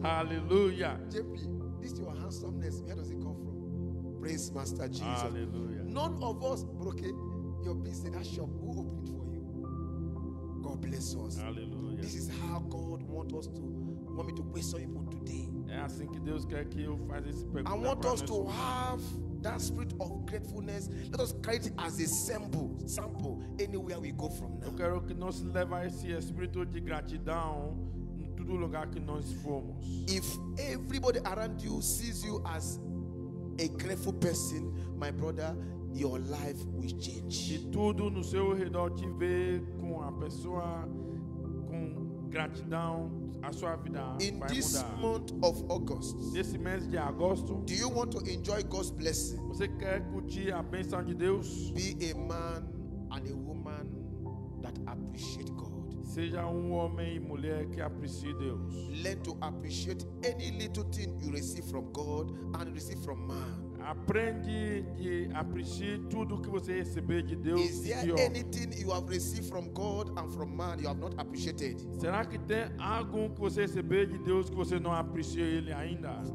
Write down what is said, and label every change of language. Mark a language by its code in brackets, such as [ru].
[en] Hallelujah. JP, this is your handsomeness, where does it come from? Praise Master Jesus. Hallelujah. None of us broke your business, that shop, who opened for you? God bless us. Hallelujah. This is how God wants us to, want me to question you for today. [pt] É assim que Deus quer que eu faça esse pergunta. [en] I want us to have that spirit of gratefulness. Let us carry it as a sample anywhere we go from now. [pt] Eu quero que nós leva esse espírito de gratidão em todo lugar que nós formos. [en] If everybody around you sees you as a grateful person, my brother, your life will change. [pt] Se tudo no seu redor te vê com a pessoa com gratidão, a sua vida vai mudar. [en] In this month of August, [pt] nesse mês de agosto, [en] do you want to enjoy God's blessing? [pt] Você quer curtir a bênção de Deus? [en] Be a man and a woman that appreciate God. [pt] Seja homem e mulher que aprecie Deus. [en] Learn to appreciate any little thing you receive from God and receive from man. [pt] Aprende de apreciar tudo que você receber de Deus. [en] Is there anything you have received from God and from man you have not appreciated? [pt] Será que tem algo que você receber de Deus que você não aprecia ele ainda?